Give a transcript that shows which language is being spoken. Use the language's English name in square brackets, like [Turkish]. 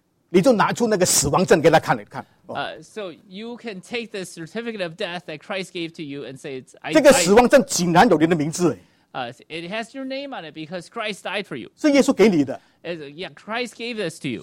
[Chinese] 你就拿出那个死亡证给他看了看。 [English] So you can take the certificate of death that Christ gave to you and say it's. [Chinese] 这个死亡证竟然有你的名字。 [English] It has your name on it because Christ died for you. [Chinese] 是耶稣给你的。 [English] Yeah, Christ gave this to you.